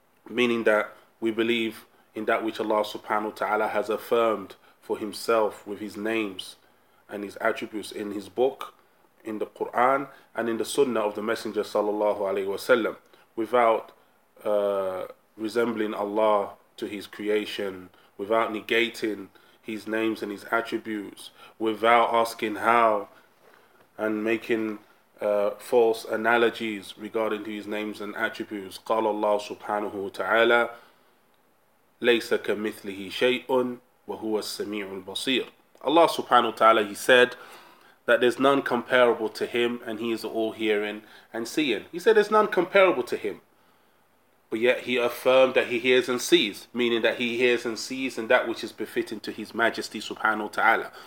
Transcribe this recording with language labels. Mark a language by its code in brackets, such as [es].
[en] Meaning that we believe in that which Allah subhanahu wa ta'ala has affirmed for himself with his names and his attributes in his book, in the Quran, and in the sunnah of the Messenger sallallahu alayhi wa sallam, without resembling Allah to his creation, without negating his names and his attributes, without asking how, and making false analogies regarding his names and attributes. [ar] قال الله سبحانه وتعالى ليس كمثله شيء وهو السميع البصير. [en] Allah subhanahu wa ta'ala, he said that there's none comparable to him, and he is all hearing and seeing. He said there's none comparable to him, but yet he affirmed that he hears and sees, meaning that he hears and sees and that which is befitting to his majesty subhanahu wa ta'ala.